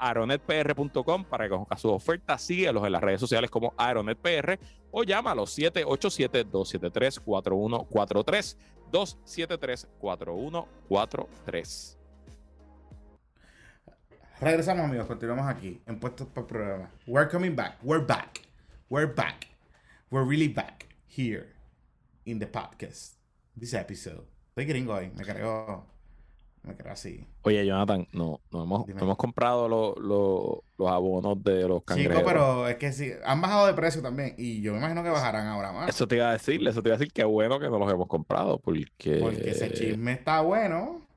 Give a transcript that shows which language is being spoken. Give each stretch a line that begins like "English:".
Spanish: aeronetpr.com para que conozcas sus ofertas, síguelos en las redes sociales como aeronetpr o llámalo 787-273-4143, 273-4143. Regresamos, amigos, continuamos aquí en Puestos para el Programa.
English: We're coming back, we're back, we're really back here in the podcast, this episode.
Spanish: Estoy gringo ahí, me creo así. Oye, Jonathan, no hemos comprado los abonos de los cangrejos. Chico, pero es que sí, han bajado de precio también y yo me imagino que bajarán ahora más. Eso te iba a decir, qué bueno que no los hemos comprado porque... Porque ese chisme está bueno.